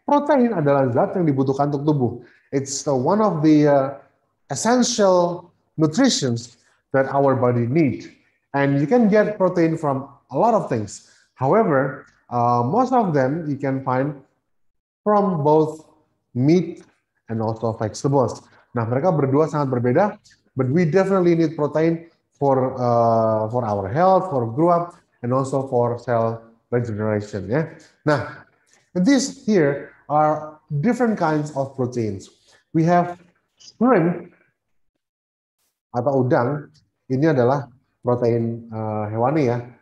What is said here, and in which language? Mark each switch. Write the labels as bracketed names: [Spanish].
[Indonesian] Protein adalah zat yang dibutuhkan untuk tubuh. [English] It's one of the essential nutrients that our body need. And you can get protein from a lot of things. However, most of them you can find from both meat and also vegetables. Nah, [Indonesian] mereka berdua sangat berbeda, [English] but we definitely need protein for our health, for grow up, and also for cell regeneration. Yeah. Nah, these here are different kinds of proteins. We have shrimp [Indonesian] atau udang. Ini adalah protein hewani ya.